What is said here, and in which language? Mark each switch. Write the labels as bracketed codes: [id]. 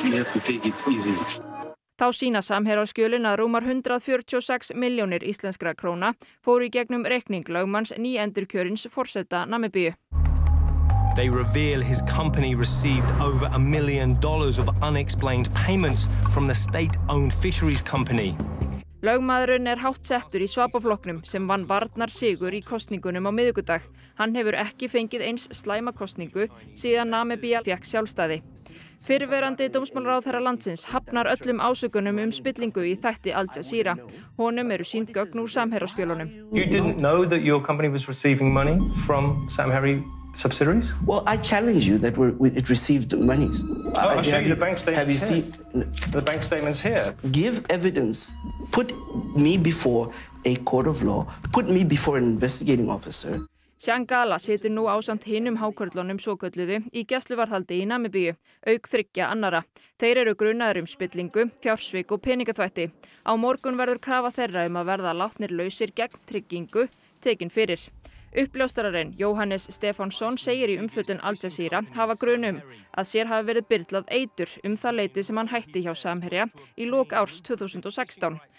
[is] Þá sýna samherjaskjölin að rúmar 146 milljónir íslenskra króna fóru í gegnum reikning lögmanns nýendurkjörins forseta Namibíu. [en] They reveal his company received over $1 million of unexplained payments from the state-owned fisheries company. [is] Lögmaðurinn hátt settur í Swapo-flokknum sem vann varnar sigur í kosningunum á miðvikudag. Hann hefur ekki fengið eins slæma kosningu síðan Namibía fékk sjálfstæði. Fyrrverandi dómsmálaráðherra landsins hafnar öllum ásökunum spillingu í þætti Al Jazeera. Honum eru sýnd gögn úr samherjaskjölunum. [en] You didn't know that your company was receiving money from Samherji subsidiaries? Well, I challenge you that it received money. Oh, I'll show you the bank statements. Have you seen the bank statements here? Give evidence. Put me before a court of law. Put me before an investigating officer. [is] Shangala situr nú ásamt hinum hákörlunum svokölluðu í gæsluvarðhaldi í Namibíu, auk þriggja annara. Þeir eru grunaðir spillingu, fjársvik og peningaþvætti. Á morgun verður krafa þeirra að verða látnir lausir gegn tryggingu tekin fyrir. Uppljóstararinn Jóhannes Stefánsson segir í umfjöllun Al Jazeera hafa grun að sér hafi verið byrlað eitur það leiti sem hann hætti hjá Samherja í lok árs 2016.